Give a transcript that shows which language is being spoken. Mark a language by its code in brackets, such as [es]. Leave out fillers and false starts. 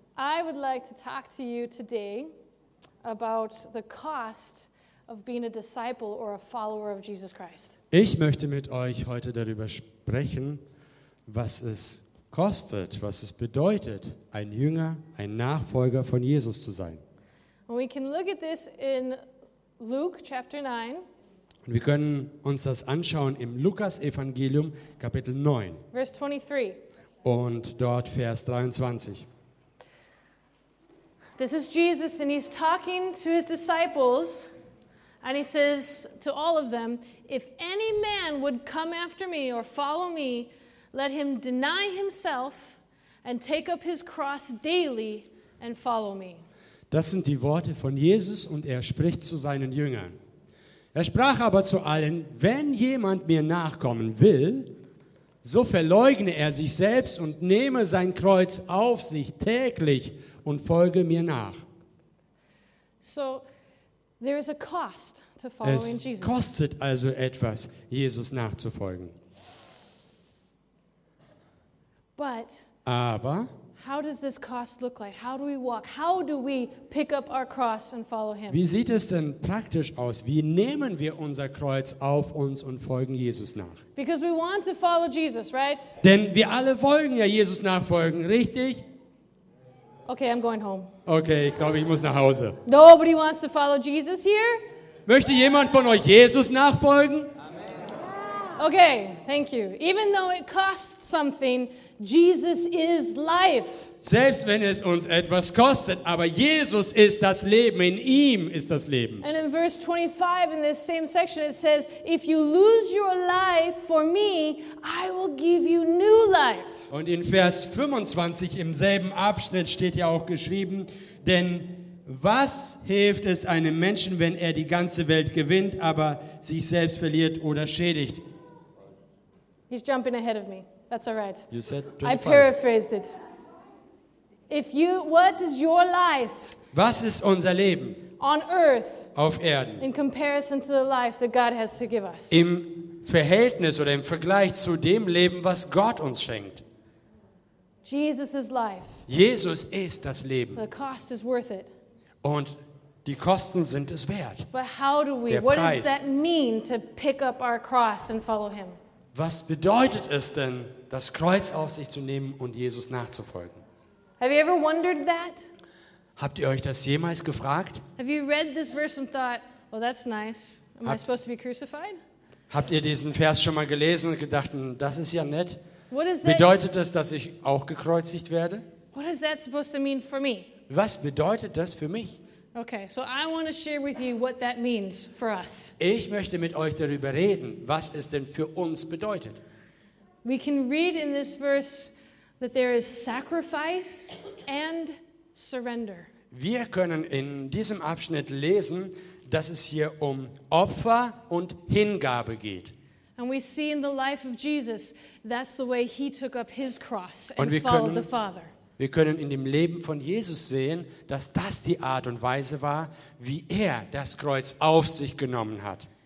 [en] I would like to talk to you today about the cost of being a disciple or a follower of Jesus Christ. [de] Ich möchte mit euch heute darüber sprechen, was es kostet, was es bedeutet, ein Jünger, ein Nachfolger von Jesus zu sein. [en] And we can look at this in Luke chapter 9. [de] Und wir können uns das anschauen im Lukas Evangelium Kapitel 9. [en] Verse 23. [de] Und dort Vers 23. [en] This is Jesus and he's talking to his disciples and he says to all of them, if any man would come after me or follow me, let him deny himself and take up his cross daily and follow me. [de] Das sind die Worte von Jesus und er spricht zu seinen Jüngern. Er sprach aber zu allen, wenn jemand mir nachkommen will, so verleugne er sich selbst und nehme sein Kreuz auf sich täglich und folge mir nach. [en] So, there is a cost to following [de] es kostet also etwas, Jesus nachzufolgen. [en] But [de] aber [en] how does this cost look like? How do we walk? How do we pick up our cross and follow him? [de] Wie sieht es denn praktisch aus? Wie nehmen wir unser Kreuz auf uns und folgen Jesus nach? [en] Because we want to follow Jesus, right? [de] Denn wir alle wollen ja Jesus nachfolgen, richtig? [en] Okay, I'm going home. [de] Okay, ich glaube, ich muss nach Hause. [en] Nobody wants to follow Jesus here? [de] Möchte jemand von euch Jesus nachfolgen? [en] Okay, thank you. Even though it costs something, Jesus is life. [de] Selbst wenn es uns etwas kostet, aber Jesus ist das Leben, in ihm ist das Leben. [en] And in verse 25 in this same section it says, if you lose your life for me, I will give you new life. [de] Und in Vers 25 im selben Abschnitt steht ja auch geschrieben, denn was hilft es einem Menschen, wenn er die ganze Welt gewinnt, aber sich selbst verliert oder schädigt? [en] He's jumping ahead of me. That's all right. You said 25. I paraphrased it. If you, what is your life? [de] Was ist unser Leben? [en] On earth. [de] Auf Erden. [en] In comparison to the life that God has to give us. [de] Im Verhältnis oder im Vergleich zu dem Leben, was Gott uns schenkt. [en] Jesus is life. [de] Jesus ist das Leben. [en] The cost is worth it. [de] Und die Kosten sind es wert. [en] But how do we? What does that mean to pick up our cross and follow him? [de] Was bedeutet es denn, das Kreuz auf sich zu nehmen und Jesus nachzufolgen? [en] Have you ever wondered that? [de] Habt ihr euch das jemals gefragt? [en] Have you read this verse and thought, well, that's nice. Am I supposed to be crucified? [de] Habt ihr diesen Vers schon mal gelesen und gedacht, das ist ja nett? Bedeutet das, dass ich auch gekreuzigt werde? [en] What is that supposed to mean for me? [de] Was bedeutet das für mich? [en] Okay, so I want to share with you what that means for us. [de] Ich möchte mit euch darüber reden, was es denn für uns bedeutet. [en] We can read in this verse that there is sacrifice and surrender. [de] Wir können in diesem Abschnitt lesen, dass es hier um Opfer und Hingabe geht. [en] And we see in the life of Jesus, that's the way he took up his cross and followed the Father. [de] Wir können in dem Leben von Jesus sehen, dass das die Art und Weise war, wie er das Kreuz auf sich genommen hat.